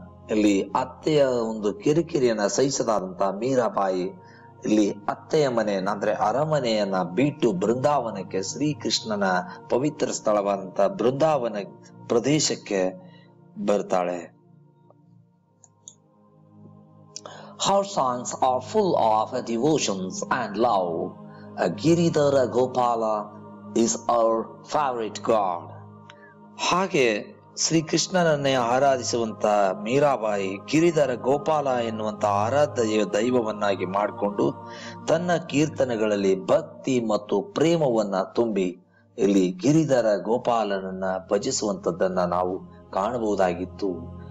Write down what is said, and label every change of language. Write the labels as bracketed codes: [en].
[kn] ಇಲ್ಲಿ ಅತ್ತೆಯ ಒಂದು ಕಿರಿಕಿರಿಯನ್ನ ಸಹಿಸದಾದಂತಹ ಮೀರಾಬಾಯಿ ಇಲ್ಲಿ ಅತ್ತೆಯ ಮನೆಯನ್ನ ಅಂದ್ರೆ ಅರಮನೆಯನ್ನ ಬಿಟ್ಟು ಬೃಂದಾವನಕ್ಕೆ, ಶ್ರೀಕೃಷ್ಣನ ಪವಿತ್ರ ಸ್ಥಳವಾದಂತ ಬೃಂದಾವನ ಪ್ರದೇಶಕ್ಕೆ ಬರ್ತಾಳೆ. [en] Her songs are full of devotions and love. Giridhara Gopala is our favorite god. [kn] ಹಾಗೆ ಶ್ರೀ ಕೃಷ್ಣನನ್ನೇ ಆರಾಧಿಸುವಂತ ಮೀರಾಬಾಯಿ ಗಿರಿಧರ ಗೋಪಾಲ ಎನ್ನುವಂತ ಆರಾಧ್ಯ ದೈವವನ್ನಾಗಿ ಮಾಡಿಕೊಂಡು ತನ್ನ ಕೀರ್ತನೆಗಳಲ್ಲಿ ಭಕ್ತಿ ಮತ್ತು ಪ್ರೇಮವನ್ನ ತುಂಬಿ ಇಲ್ಲಿ ಗಿರಿಧರ ಗೋಪಾಲನನ್ನ ಭಜಿಸುವಂತದ್ದನ್ನ ನಾವು ಕಾಣಬಹುದಾಗಿತ್ತು.